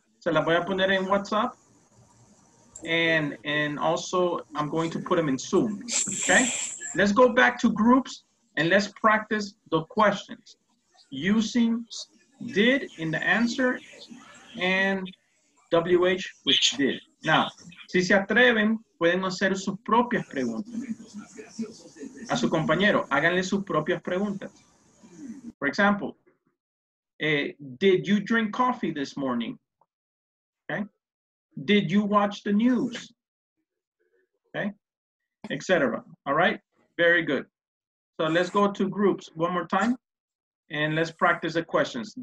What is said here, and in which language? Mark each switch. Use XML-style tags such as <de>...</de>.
<es>Se las voy a poner en WhatsApp.</es> <en>And also I'm going to put them in Zoom, okay? Let's go back to groups and let's practice the questions using did in the answer and WH with did.</en> <es>Now, si se atreven, pueden hacer sus propias preguntas. A su compañero, háganle sus propias preguntas.</es> <en>For example, did you drink coffee this morning? Okay? Did you watch the news? Okay, etc. All right, very good. So let's go to groups one more time and let's practice the questions.</en>